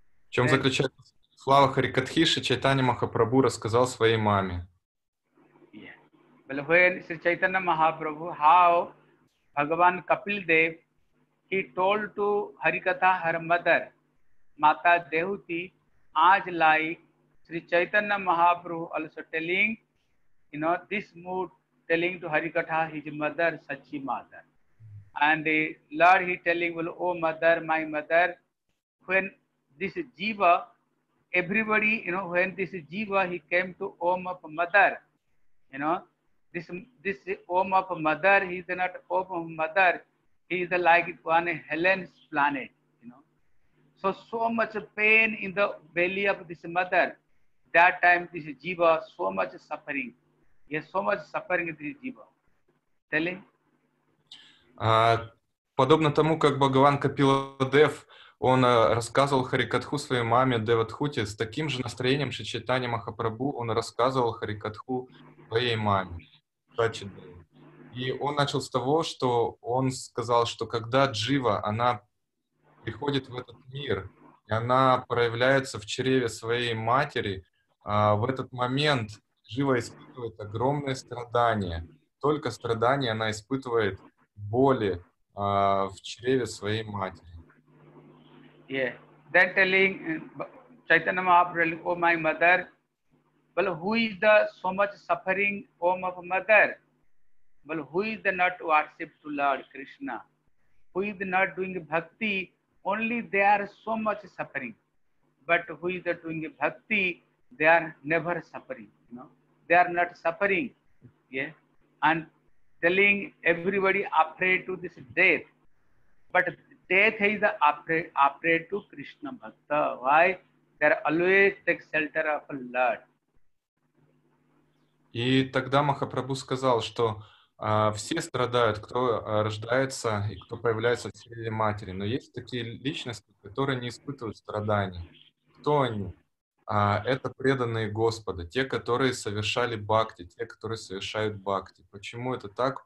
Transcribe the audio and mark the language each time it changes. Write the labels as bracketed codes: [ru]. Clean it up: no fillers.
[ru] В чем заключается слава Харикатхи, Шри Чайтанья Махапрабху рассказал своей маме. [en] Yeah. Well, when Sri Chaitanya Mahaprabhu, how Bhagavan Kapil Dev, he told to Harikatha, her mother, Mata Dehuti, as like Sri Chaitanya Mahaprabhu also telling, you know, this mood, telling to Harikatha, his mother, Sachi mother. And the Lord, he telling, well, oh mother, my mother, when this jiva, everybody, you know, when this jiva, he came to om of mother, you know, this om of mother, he is not om of mother, he is like one Helen's planet, you know. So much pain in the belly of this mother, that time this jiva, so much suffering, yes, so much suffering this jiva. Telling? [ru] Подобно тому, как Бхагаван Капиладев, он рассказывал Харикатху своей маме Деватхуте, с таким же настроением Шри Чайтанья Махапрабху, он рассказывал Харикатху своей маме. И он начал с того, что он сказал, что когда джива, она приходит в этот мир, и она проявляется в чреве своей матери, в этот момент джива испытывает огромные страдания. Только страдания она испытывает боли в чреве своей матери. [en] Yeah. Then telling Chaitanya Mahaprabhu, oh my mother, well, who is the so much suffering home of mother? Well, who is the not worship to Lord Krishna? Who is the not doing bhakti? Only they are so much suffering. But who is the doing bhakti? They are never suffering. You know? They are not suffering. Yeah. And telling everybody afraid to this death. But death is afraid to Krishna Bhakta. Why? They are always take shelter of the Lord. [ru] И тогда Махапрабху сказал, что все страдают, кто рождается и кто появляется в теле матери. Но есть такие личности, которые не испытывают страданий. Кто они? Это преданные Господа, те, которые совершали бхакти, те, которые совершают бхакти. Почему это так?